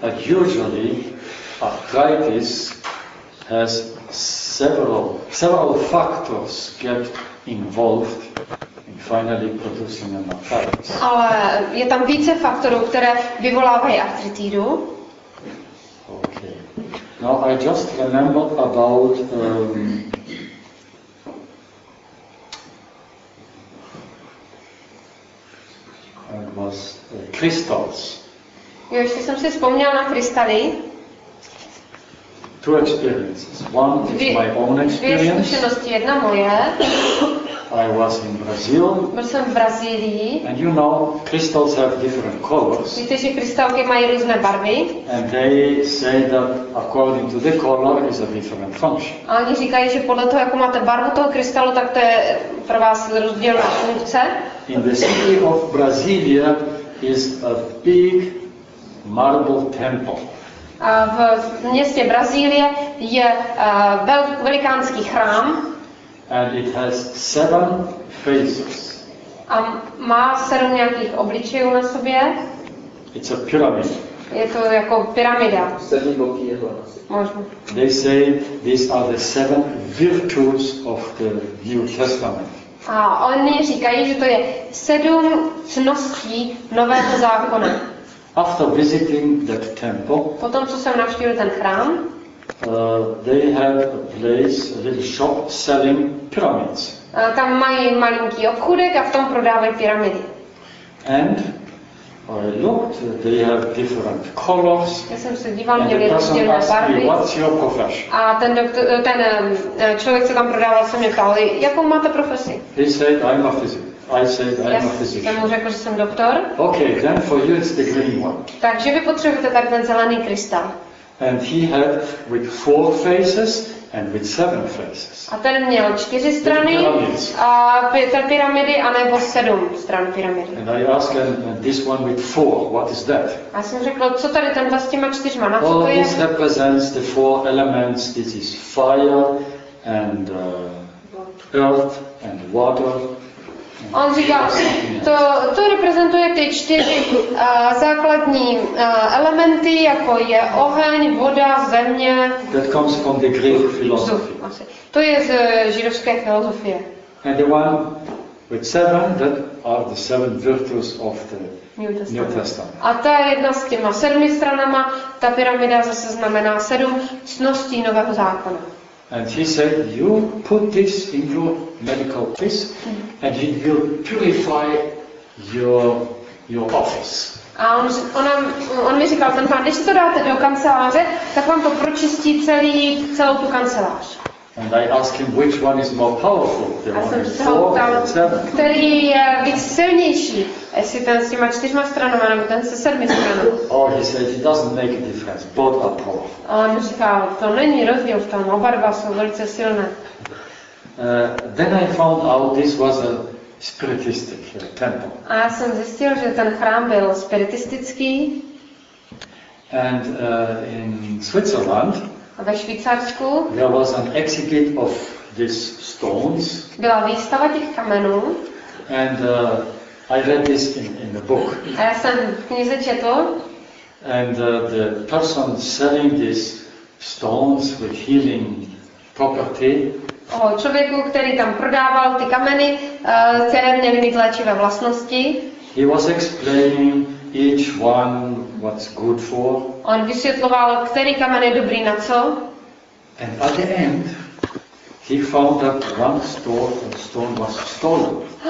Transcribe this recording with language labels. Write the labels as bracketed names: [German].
[English] But usually arthritis has several factors get involved in finally producing an arthritis. [Czech] Ale je tam více faktorů, které vyvolávají artritidu. [English] Okay. Now I just remember about it was crystals. [Czech] Jo, ještě jsem si vzpomněla na krystaly. [English] Two experiences. One is my own experience. [Czech] Dvě zkušenosti, jedna moje. [English] I was in Brazil. [Czech] Byl jsem v Brazílii. [English] And you know, crystals have different colors. [Czech] Víte, že krystalky mají různé barvy. [English] And they say that according to the color is a different function. [Czech] A oni říkají, že podle toho, jakou máte barvu toho krystalu, tak to je pro vás rozdílná funkce. [English] In the city of Brasilia is a big marble temple. [Czech] A v městě Brazílie je velikánský chrám. [English] And it has seven faces. [Czech] A má sedm nějakých obličejů na sobě. [English] It's a pyramid. [Czech] Je to jako pyramida. Sedm boky je hlavně. Možná. [English] They say these are the seven virtues of the New Testament. [Czech] A oni říkají, že to je sedm cností Nového zákona. [English] After visiting that temple, [Czech] potom co jsem navštívil ten chrám, [English] they had a place, a little shop selling pyramids. [Czech] Tam mají malinký obchůdek a v tom prodávají pyramidy. [English] And I looked, they have different colors. [Czech] Já jsem se díval, měli různé barvy. [English] What's your profession? [Czech] A ten doktor, ten člověk, co tam prodával, se mě ptal, jakou máte profesi? [English] He said, I'm a physician. I said I am a physician. [Czech] Já jsem řekl, že jsem doktor. [English] Okay, then for you it's the green one. [Czech] Takže vy potřebujete tady ten zelený krystal. [English] And he had with four faces and with seven faces. [Czech] A ten měl čtyři strany a pět pyramidy a nebo sedm stran pyramidy. [English] And I asked him, this one with four, what is that? [Czech] Já jsem řekl, co tady ten s těma čtyřma, na co All to je? [English] This represents the four elements. This is fire and earth and water. [Czech] On říká, to reprezentuje ty čtyři základní elementy, jako je oheň, voda, země. [English] That comes from the Greek philosophy. [Czech] To je z židovské filozofie. [English] And the one with seven, that are the seven virtues of the New Testament. [Czech] A ta jedna s těma sedmi stranama, ta pyramida zase znamená sedm cností Nového zákona. [English] And he said, you put this in your medical office, and it will purify your office. [Czech] A on mi říkal, ten pán, když si to dáte do kanceláře, tak vám to pročistí celou tu kancelář. [English] And I asked him, which one is more powerful, the one with four or the seven? [Czech] Který je víc silnější, jestli ten s těma čtyřma stranama, nebo ten se sedmi stranama. [English] Oh, he said, it doesn't make a difference, both are powerful. [Czech] A on říkal, to není rozdíl v tom, oba dva jsou velice silné. [English] Then I found out this was a spiritistic temple. [Czech] A já jsem zjistil, že ten chrám byl spiritistický. [English] And in Switzerland, [Czech] a ve Švýcarsku, [English] there was an exhibit of these stones. [Czech] Byla výstava těch kamenů. [English] And I read this in the book. [Czech] A já jsem v knize četl. [English] And the person selling these stones with healing property. [Czech] O člověku, který tam prodával ty kameny, které měly mít léčivé vlastnosti. [English] He was explaining each one what's good for. [Czech] On vysvětloval, který kamen je dobrý na co. [English] And at the end, he found that one stone was stolen.